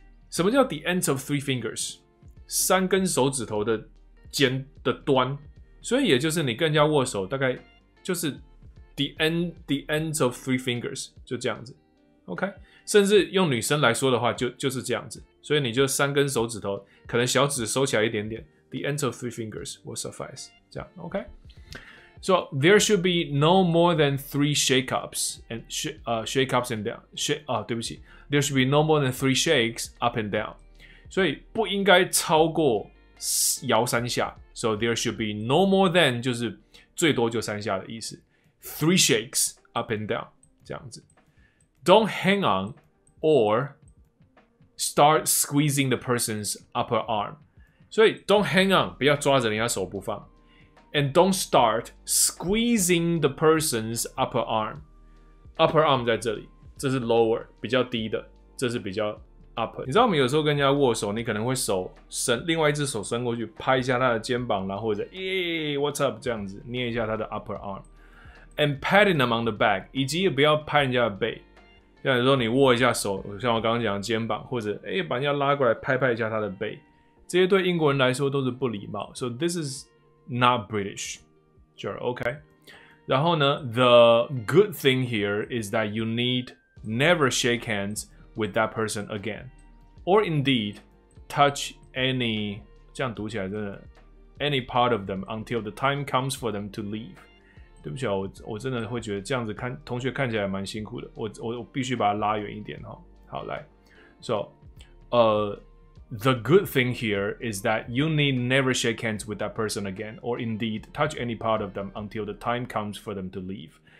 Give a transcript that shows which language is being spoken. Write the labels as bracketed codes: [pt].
[zh] 什么叫 [en] the ends of three fingers？ [zh] 三根手指头的尖的端，所以也就是你跟人家握手，大概就是 the ends of three fingers， 就这样子 ，OK。甚至用女生来说的话就是这样子。所以你就三根手指头可能小指收起来一点点。 [en] The end of three fingers will suffice. [zh] 这样 [en] ,okay? So, there should be no more than three shake-ups and shake-ups and down. [zh] 对不起。 [en] There should be no more than three shakes up and down. [zh] 所以不应该超过摇三下。 [en] So, there should be no more than [zh] 就是最多就三下的意思。 [en] Three shakes up and down. 这样子。 Don't hang on or start squeezing the person's upper arm. So don't hang on, [zh] 不要抓着人家手不放。 [en] And don't start squeezing the person's upper arm. [zh] Upper arm 在这里，这是 lower, 比较低的，这是比较 upper。你知道我们有时候跟人家握手，你可能会手伸，另外一只手伸过去拍一下他的肩膀，然后或者 [en] what's up [zh] 这样子捏一下他的 upper arm。 [en] And patting them on the back, [zh] 以及不要拍人家的背。像说你握一下手，像我刚刚讲的肩膀，或者把人家拉过来拍拍一下他的背，这些对英国人来说都是不礼貌。 [en] So this is not British. Sure, okay. [zh] 然后呢 [en] ，the good thing here is that you need never shake hands with that person again, or indeed touch any [zh] 这样读起来真的 [en] any part of them until the time comes for them to leave. [zh] 对不起啊，我真的会觉得这样子看同学看起来蛮辛苦的，我必须把它拉远一点哈。好，来 [en] ，so， the good thing here is that you need never shake hands with that person again, or indeed touch any part of them until the time comes for them to leave。